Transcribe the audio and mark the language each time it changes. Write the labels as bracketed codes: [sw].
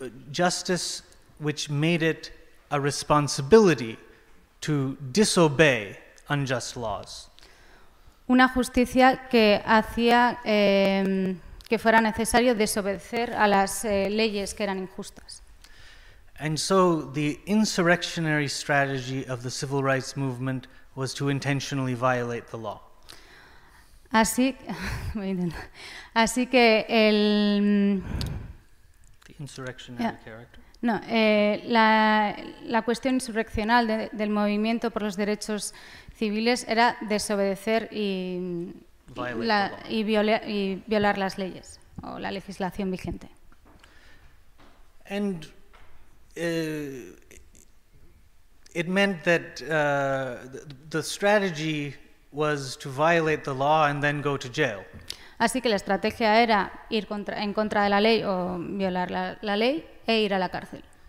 [en] Justice which made it a responsibility to disobey unjust laws. [es] Una justicia que hacía que fuera necesario desobedecer a las leyes que eran injustas. [en] And so the insurrectionary strategy of the civil rights movement was to intentionally violate the law. [es] La cuestión insurreccional del movimiento por los derechos civiles era desobedecer y violar las leyes o la legislación vigente. [en] And it meant that the strategy was to violate the law and then go to jail. [es] Así que la estrategia era ir en contra de la ley o violar la ley e ir a la cárcel.